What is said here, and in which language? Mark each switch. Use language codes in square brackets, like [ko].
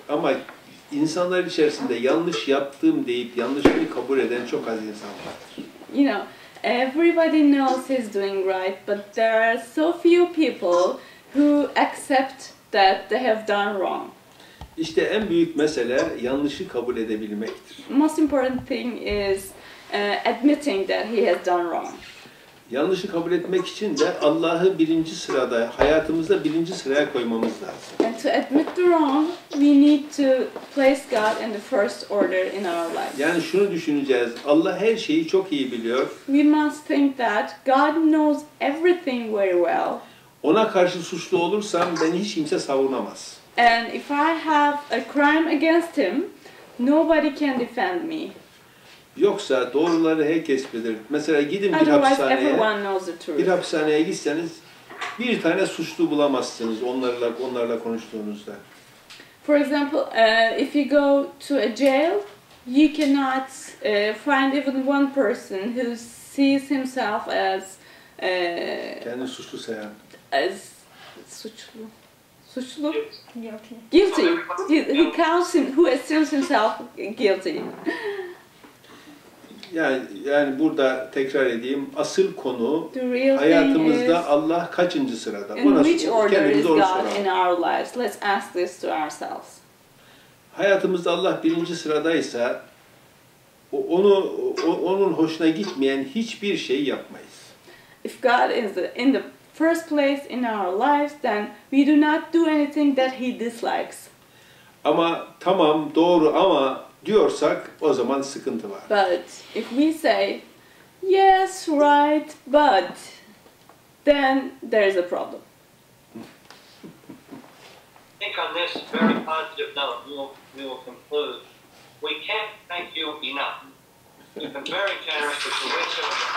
[tr] Ama insanlar içerisinde yanlış yaptım deyip yanlışını kabul eden çok az insan vardır. [en] You know, everybody knows he's doing right, but there are so few people who accept that they have done wrong. [tr] İşte en büyük mesele yanlışı kabul edebilmektir. [en] Most important thing is admitting that he has done wrong. [tr] Yanlışı kabul etmek için de Allah'ı birinci sırada, hayatımızda birinci sıraya koymamız lazım. [en] And to admit the wrong, we need to place God in the first order in our lives. [tr] Yani şunu düşüneceğiz, Allah her şeyi çok iyi biliyor. [en] We must think that God knows everything very well. [tr] Ona karşı suçlu olursam beni hiç kimse savunamaz. [en] And if I have a crime against him, nobody can defend me. [tr] Yoksa doğruları herkes bilir. Mesela gidin bir hapishaneye. Bir hapishaneye gitseniz bir tane suçlu bulamazsınız onlarla konuştuğunuzda. [en] For example, if you go to a jail, you cannot find even one person who sees himself as [tr] kendini suçlu sayan. [en] As suçlu. Guilty. He counts him who assumes himself guilty. [tr] Yani burada tekrar edeyim, asıl konu hayatımızda Allah kaçıncı sırada? [en] In which order is God in our lives? Let's ask this to ourselves. [tr] Hayatımızda Allah birinci sıradaysa, onun hoşuna gitmeyen hiçbir şey yapmayız. [en] If God is in the first place in our lives, then we do not do anything that he dislikes. [tr] Ama tamam, doğru ama diyorsak o zaman sıkıntı var. [en] But if we say yes, right, but then there is a problem. I think on this very positive note we will conclude. We can't thank you enough. You've been very generous with the wish of